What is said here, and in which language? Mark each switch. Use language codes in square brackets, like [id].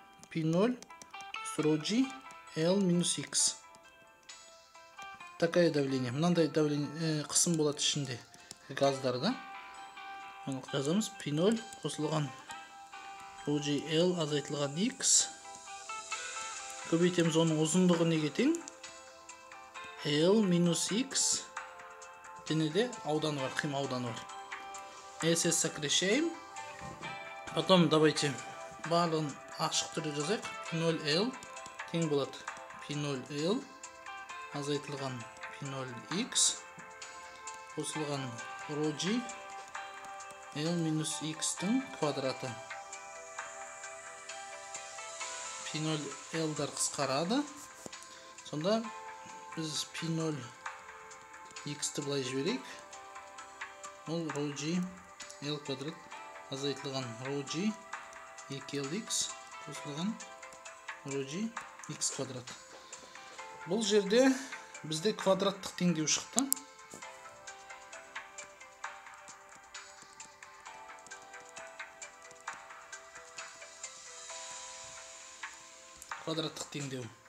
[ru] P0 с rho g L минус x. Такое давление. Надо давление. [kk] Кысым болады ішінде. Газдар, да? Жазамыз. P0 қосылған rho g L азайтылған x. Көбейтеміз оның ұзындығы неге тең? L минус x. Және де ауданы бар. Қима ауданы бар. [ru] SS сокращаем. Потом давайте [kk] барлығын ашық түрде жазайық. P0L тең болады. P0L азайтылған P0X қосылған rho g L минус X-тің квадраты. P0L-дар қысқарады. Сонда біз P0X-ті былай жіберейік. Ол rho g L квадрат азайтылған rho g 2LX қосылған rho g x квадрат. Бұл жерде бізде квадраттық теңдеу шықты. Квадраттық теңдеу.